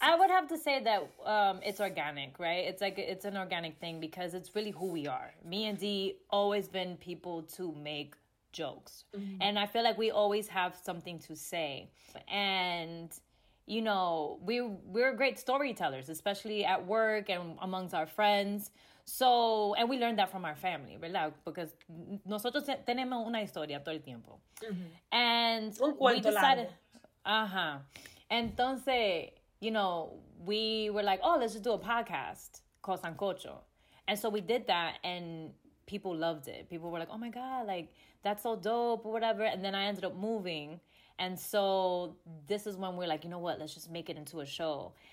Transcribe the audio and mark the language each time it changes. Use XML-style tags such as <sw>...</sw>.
<en>I would have to say that it's organic, right? It's like, it's an organic thing because it's really who we are. Me and Dee always been people to make jokes. Mm-hmm. And I feel like we always have something to say. And, you know, we're great storytellers, especially at work and amongst our friends. So, and we learned that from our family,</en> <es>¿verdad?</es> <en>Because</en> <es>nosotros tenemos una historia todo el tiempo.</es> <en>Mm-hmm. And we decided... Uh-huh.</en> <es>Entonces,</es> <en>you know, we were like, oh, let's just do a podcast called Sancocho. And so we did that and people loved it. People were like, oh my God, like, that's so dope or whatever. And then I ended up moving. And so this is when we're like, you know what, let's just make it into a show.</en>